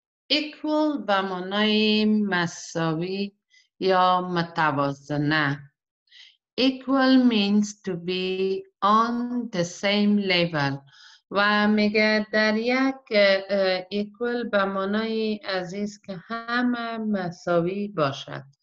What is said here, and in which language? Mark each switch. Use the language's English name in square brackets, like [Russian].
[Persian] Equal به معنای مساوی یا متوازنه. [English] Equal means to be on the same level. [Persian] و میگه در یک equal به معنای عزیز که همه مساوی باشد.